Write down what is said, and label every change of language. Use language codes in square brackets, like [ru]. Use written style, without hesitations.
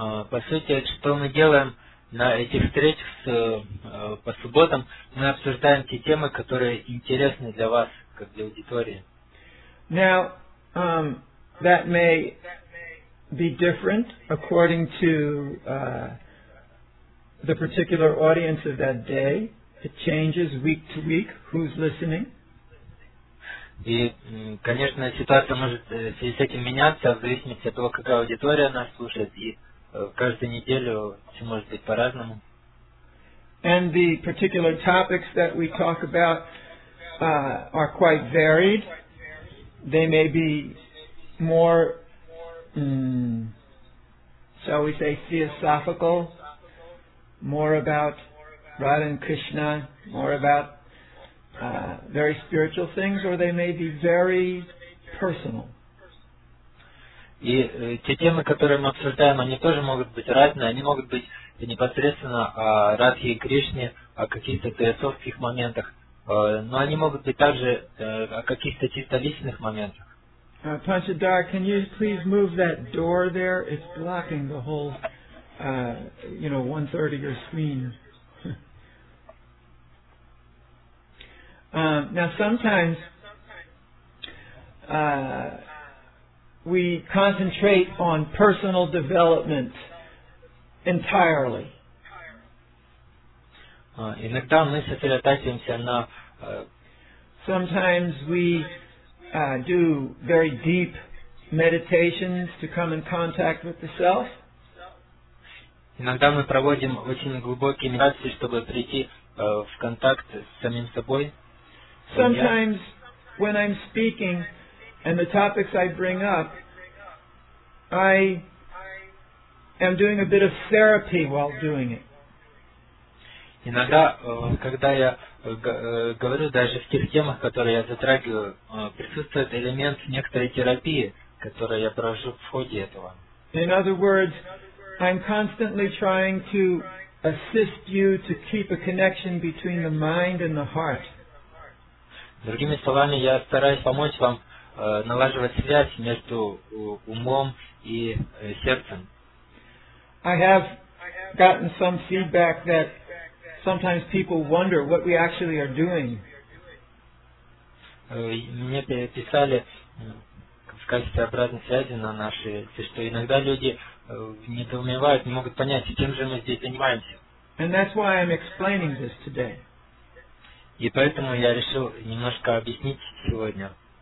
[ru] По сути, что мы делаем на этих встречах по субботам, мы обсуждаем те темы, которые интересны для вас, как для аудитории. [en] Now, that may be different according to the particular audience of that day. It changes week to week, who's listening. [ru] И, конечно, ситуация может в связи с этим меняться в зависимости от того, какая аудитория нас слушает, и каждую неделю все может быть по-разному. [en] And the particular topics that we talk about are quite varied. They may be more, shall we say, theosophical, more about Radha and Krishna, more about very spiritual things, or they may be very personal. [ru] И те темы, которые мы обсуждаем, они тоже могут быть разные. Они могут быть непосредственно о Радхе и Кришне, о каких-то теософских моментах, но они могут быть также о каких-то чисто личных моментах. [en] Panchadar, can you please move that door there? It's blocking the whole, you know, 1/3 of your screen. Now, sometimes we concentrate on personal development entirely. [ru] Иногда мы сосредотачиваемся на. [en] Sometimes we do very deep meditations to come in contact with the self. [ru] Иногда мы проводим очень глубокие медитации, чтобы прийти в контакт с самим собой. [en] Sometimes when I'm speaking and the topics I bring up, I am doing a bit of therapy while doing it. [ru] Иногда, когда я говорю, даже в тех темах, которые я затрагиваю, присутствует элемент некоторой терапии, которую я провожу в ходе этого. [en] In other words, I'm constantly trying to assist you to keep a connection between the mind and the heart. [ru] Другими словами, я стараюсь помочь вам налаживать связь между умом и сердцем. [en] I have gotten some feedback that sometimes people wonder what we actually are doing. [ru] Мне писали в качестве обратной связи на наши, что иногда люди недоумевают, не могут понять, чем же мы здесь занимаемся. [en] And that's why I'm explaining this today. [ru] И поэтому я решил немножко объяснить сегодня.